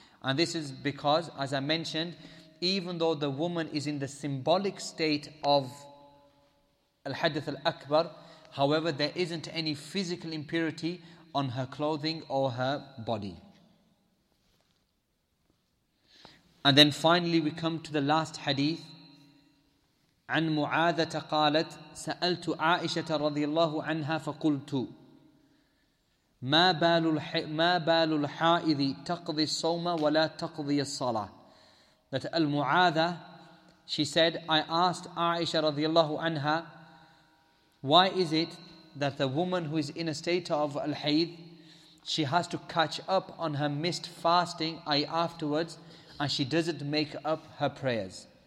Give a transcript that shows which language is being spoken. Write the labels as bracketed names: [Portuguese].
[English] And this is because, as I mentioned, even though the woman is in the symbolic state of al-hadith al-akbar, however, there isn't any physical impurity on her clothing or her body. And then finally, we come to the last hadith. [Arabic] عن معاذة قالت سألت عائشة رضي الله عنها فقلت ما بال الحائض تقضي الصوم ولا تقضي الصلاة. [English] That Al-Mu'adha, she said, I asked Aisha radiallahu anha, why is it that the woman who is in a state of al-hayd, she has to catch up on her missed fasting, afterwards, and she doesn't make up her prayers.